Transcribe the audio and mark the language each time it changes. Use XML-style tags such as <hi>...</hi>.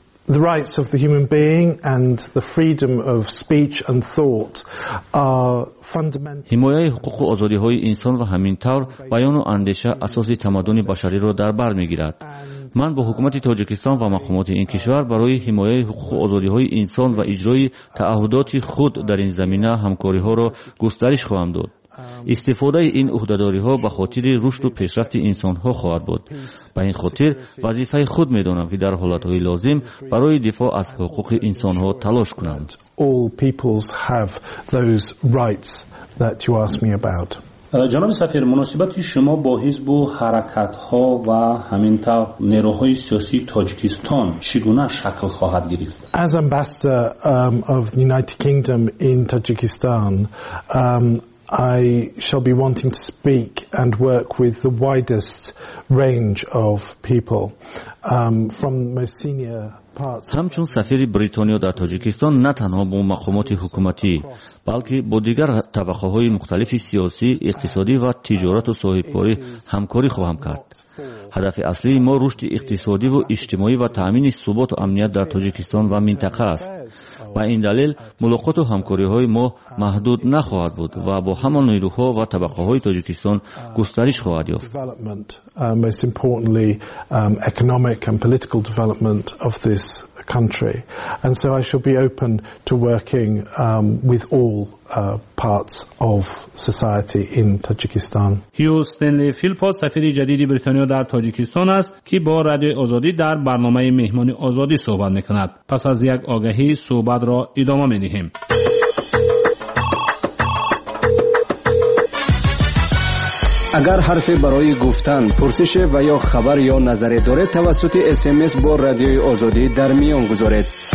<en>The rights of the human being and the freedom of speech and thought are fundamental.</en> <fa>حمایت حقوق و آزادی‌های انسان و همینطور بیان و اندیشه اساسی تمدن بشری را در بر می‌گیرد. من با حکومت تاجیکستان و مقامات این کشور برای حمایت حقوق و آزادی‌های انسان و اجرای تعهدات خود در این زمینه همکاری‌ها را گسترش خواهم داد. استفاده این عهده‌داری‌ها به خاطر رشد و پیشرفت انسان‌ها خواهد بود. به این خاطر وظیفه خود می‌دانم که در حالت‌های لازم برای دفاع از حقوق انسان‌ها تلاش کنم.</fa> <en>All peoples have those rights that you asked me about.</en> <fa>جناب سفیر، مناسبت شما با حزب و حرکت ها و همینطور نیروهای سیاسی تاجیکستان چگونه شکل خواهد گرفت؟</fa> <en>As ambassador of the United Kingdom in Tajikistan, I shall be wanting to speak and work with the widest range of people, from most senior parts.</en> <fa>همچون سفیر بریتانیا در تاجیکستان نه تنها با مقامات حکومتی بلکه با دیگر طبقه های مختلف سیاسی، اقتصادی و تجارت و صاحبکاری همکاری خواهم کرد. هدف اصلی ما رشد اقتصادی و اجتماعی و تأمین ثبات و امنیت در تاجیکستان و منطقه است. با این دلیل ملاقات و همکاری های ما محدود نخواهد بود و با همان نیروها و طبقه های تاجیکستان گسترش خواهد یافت.</fa> <en>Most importantly, economic and political development of this country. And so I shall be open to working with all parts of society in Tajikistan.</en> <fa>هیو استنلی فیلپوت سفیر جدید بریتانیا در تاجیکستان است که با رادیو آزادی در برنامه مهمانی آزادی صحبت میکند. پس از یک آگهی صحبت را ادامه میدهیم. اگر حرفی برای گفتن، پرسش و یا خبر یا نظری دارید، توسط SMS با رادیوی آزادی در میان گذارید.</fa>